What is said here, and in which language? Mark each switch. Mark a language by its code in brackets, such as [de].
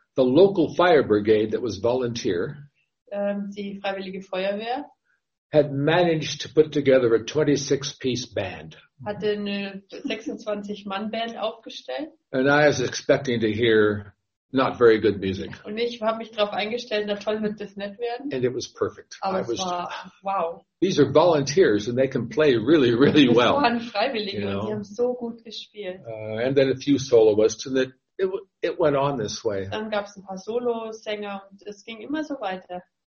[en] The local fire brigade that was volunteer. [de] Die Freiwillige Feuerwehr. [en] Had managed to put together a 26-piece band. [de] Hatte eine 26-Mann-Band aufgestellt. [en] And I was expecting to hear not very good music. [de] Und ich habe mich darauf eingestellt, na toll wird das nicht werden. [en] And it was perfect. [de] Aber es war, wow. [en] These are volunteers and they can play really, really well. [de] Das waren Freiwillige, [en] you know? [de] Und die haben so gut gespielt. [en] And then a few soloists, and it went on this way. [de] Dann gab es ein paar Solosänger und es ging immer so weiter.